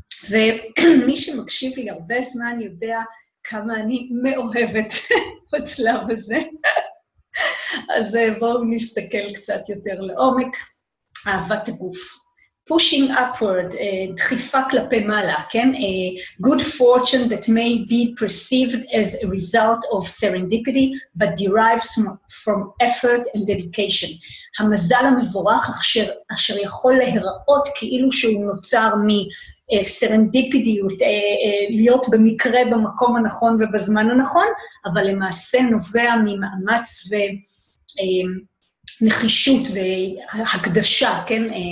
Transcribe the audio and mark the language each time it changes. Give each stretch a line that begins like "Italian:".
Hebrew: ומי שמקשיב לי הרבה זמן יודע כמה אני מאוהבת בצלב הזה. אז בואו נסתכל קצת יותר לעומק. אהבת הגוף.
English: Pushing upward,
Hebrew: דחיפה כלפי מעלה, כן?
English: Good fortune that may be perceived as a result of serendipity, but derives from effort and dedication.
Hebrew: המזל המבורך אשר יכול להיראות כאילו שהוא נוצר מ... סרנדיפידיות, להיות במקרה במקום הנכון ובזמן הנכון, אבל למעשה נובע ממאמץ ונחישות והקדשה, כן?